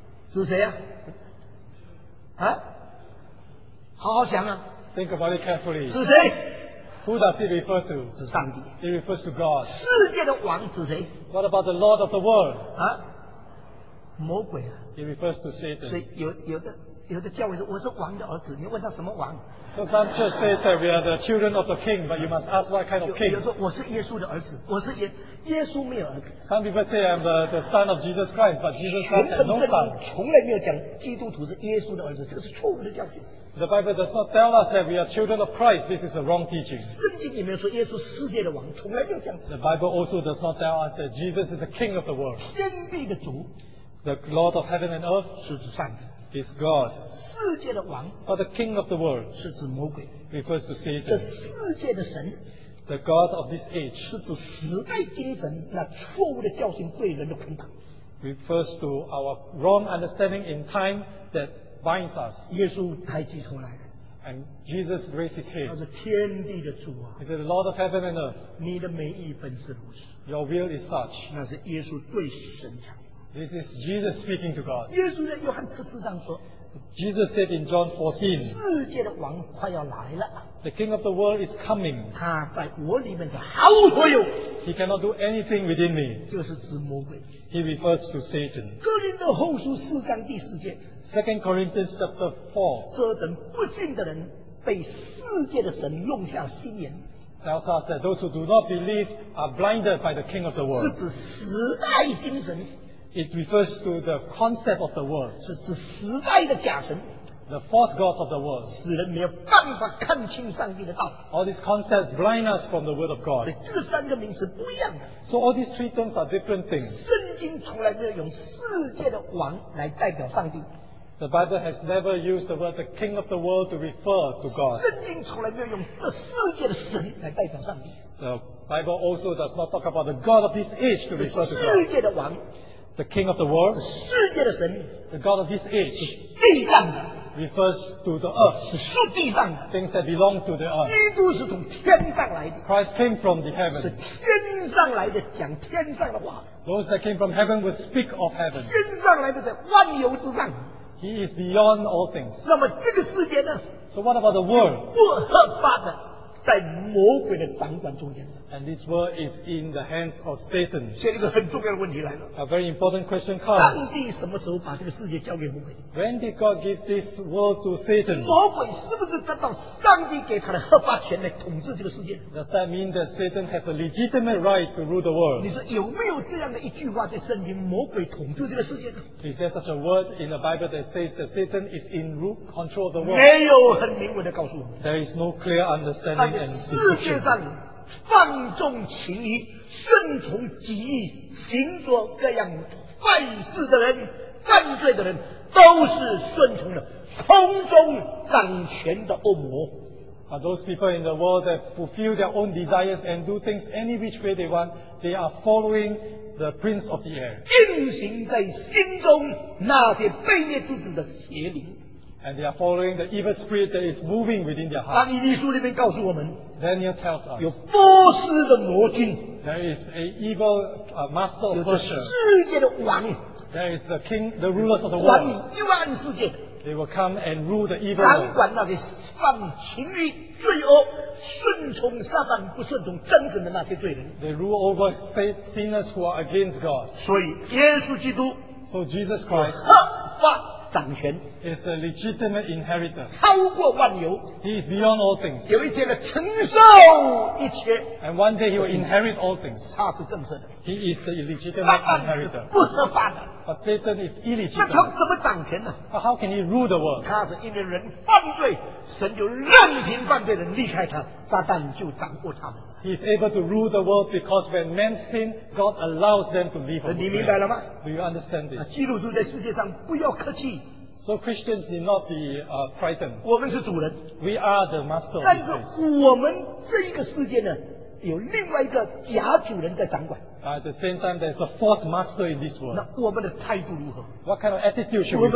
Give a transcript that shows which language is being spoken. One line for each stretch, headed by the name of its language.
Chinese: 指谁啊? 好好想啊,
English: think about it carefully.
Chinese: 是谁?
English: Who does it refer to?
Chinese: 是上帝,
English: it refers to God.
Chinese: 世界的王指谁?
English: What about the Lord of the world?
Chinese: 魔鬼啊,
English: it refers to Satan.
Chinese: 所以有的, 有的教会说我是王的儿子，你问他什么王？
English: So some church says that we are the children of the king, but you must ask what kind of king.
Chinese: 有人说我是耶稣的儿子，我是耶稣没有儿子。
English: Some people say I'm the son of Jesus Christ, but Jesus Christ has no son.
Chinese: 从来没有讲基督徒是耶稣的儿子，这个是错误的教训。
English: The Bible does not tell us that we are children of Christ. This is a wrong teaching.
Chinese: 圣经里面说耶稣世界的王，从来没有讲。
English: The Bible also does not tell us that Jesus is the king of the world.
Chinese: 天地的主。
English: The Lord of heaven and earth.
Chinese: 是指上帝。
English: Is God.
Chinese: 世界的王。
English: But the king of the world.
Chinese: 是指魔鬼。
English: Refers to Satan.
Chinese: 这世界的神。
English: The God of this age.
Chinese: 是指时代精神，那错误的教训对人的捆绑。
English: Refers to our wrong understanding in time that binds us.
Chinese: 耶稣抬起头来。
English: And Jesus raised his head.
Chinese: 他是天地的主啊。
English: He said, the Lord of heaven and earth.
Chinese: 你的美意本是如此。
English: Your will is such.
Chinese: 那是耶稣对神讲。
English: This is Jesus speaking to God.
Chinese: 耶稣在约翰十四章说。
English: Jesus said in John 14.
Chinese: 世界的王快要来了。
English: The king of the world is coming.
Chinese: 他在我里面是毫无所有。
English: He cannot do anything within me.
Chinese: 就是指魔鬼。
English: He refers to Satan.
Chinese: 哥林多后书四章第四节。
English: Second Corinthians chapter 4.
Chinese: 这等不信的人被世界的神弄瞎心眼。
English: Tells us that those who do not believe are blinded by the king of the world.
Chinese: 是指时代精神。
English: It refers to the concept of the world.
Chinese: 是指时代的假神。
English: The false gods of the world.
Chinese: 使人没有办法看清上帝的道。
English: All these concepts blind us from the word of God.
Chinese: 这三个名词不一样的。
English: So all these three terms are different things.
Chinese: 圣经从来没有用世界的王来代表上帝。
English: The Bible has never used the word the king of the world to refer to God.
Chinese: 圣经从来没有用这世界的神来代表上帝。
English: The Bible also does not talk about the god of this age to refer to God.
Chinese: 世界的王。
English: The king of the world,
Chinese: 世界的神,
English: the god of this age,
Chinese: 是地上的,
English: refers to the earth,
Chinese: 是属地上的,
English: things that belong to the earth.
Chinese: 基督是从天上来的,
English: Christ came from the heaven,
Chinese: 是天上来的, 讲天上的话,
English: those that came from heaven will speak of heaven.
Chinese: 天上来的在万有之上,
English: he is beyond all things.
Chinese: 那么这个世界呢?
English: So what about the world?
Chinese: 不合法的, 在魔鬼的掌管中间。
English: And this world is in the hands of Satan.
Chinese: 现在一个很重要的问题来了。
English: A very important question comes.
Chinese: 上帝什么时候把这个世界交给魔鬼？
English: When did God give this world to Satan?
Chinese: 魔鬼是不是得到上帝给他的合法权来统治这个世界？
English: Does that mean that Satan has a legitimate right to rule the world?
Chinese: 你说有没有这样的一句话在圣经，魔鬼统治这个世界呢？
English: Is there such a word in the Bible that says that Satan is in rule control of the world?
Chinese: 没有很明文的告诉我们。
English: There is no clear understanding and description.
Chinese: 放纵情欲，顺从己意，行着各样犯事的人，犯罪的人，都是顺从了空中掌权的恶魔。
English: Are those people in the world that fulfill their own desires and do things any which way they want? They are following the prince of the air.
Chinese: 进行在心中那些卑劣之子的邪灵。
English: And they are following the evil spirit that is moving within their hearts.
Chinese: 但以利书里面告诉我们。
English: Daniel tells us,
Chinese: 有波斯的魔君。
English: There is an evil master of Persia.
Chinese: 有世界的王。
English: There is the king, the rulers of the world.
Chinese: 管幽暗世界。
English: They will come and rule the evil
Chinese: world. 管那些犯情欲、罪恶、顺从撒旦、不顺从真神的那些罪人。
English: They rule over sinners who are against God.
Chinese: 所以耶稣基督。
English: So Jesus Christ.
Chinese: 合法。掌权
English: is the legitimate inheritor.
Chinese: 超过万有
English: he is beyond all things.
Chinese: 有一天的承受一切
English: and one day he will inherit all things.
Chinese: 他是正式的
English: he is the illegitimate inheritor.
Chinese: 不合法的
English: but Satan is illegitimate.
Chinese: 那他怎么掌权呢
English: but how can he rule the world?
Chinese: 他是因为人犯罪，神就任凭犯罪人离开他，撒旦就掌握他们。
English: He is able to rule the world because when men sin, God allows them to live.
Chinese: 你明白了吗？
English: Do you understand this?
Chinese: 基督徒在世界上不要客气。
English: So Christians need not be frightened.
Chinese: 我们是主人。
English: We are the master.
Chinese: 但是我们这一个世界呢，有另外一个假主人在掌管。
English: At the same time, there is a false master in this world.
Chinese: 那我们的态度如何？
English: What kind of attitude should we have?